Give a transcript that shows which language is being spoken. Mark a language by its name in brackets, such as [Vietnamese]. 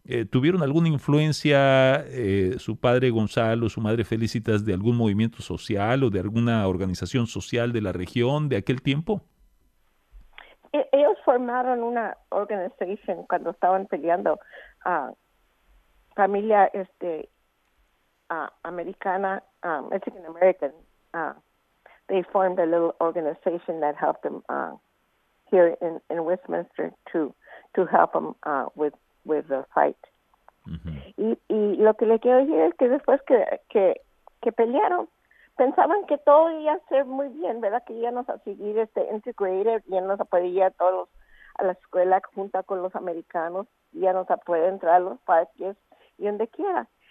[Spanish] ¿Tuvieron alguna influencia su padre Gonzalo, su madre Felicitas, de algún movimiento social o de alguna organización social de la región de aquel tiempo? Ellos formaron una organización cuando estaban peleando familia americana, Mexican American. [English] They formed a little organization that helped them here in Westminster to help them with the fight. Uh-huh. [Spanish] Y lo que le quiero decir es que después que pelearon, pensaban que todo iba a ser muy bien, ¿verdad? Que íbamos a seguir integrated, íbamos a poder ir a todos a la escuela junto con los americanos, íbamos a poder entrar a los parques y donde quiera.